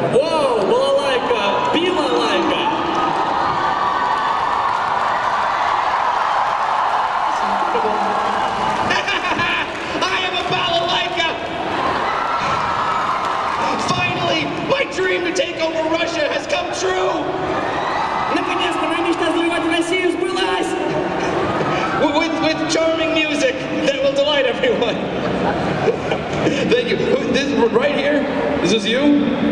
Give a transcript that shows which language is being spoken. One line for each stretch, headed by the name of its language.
English: Whoa, balalaika, bilalaika. I am a balalaika. Finally, my dream to take over Russia has come true.
Russian: Наконец-то моя мечта завоевать Россию сбылась.
English: With charming music that will delight everyone. Thank you. This right here, this is you?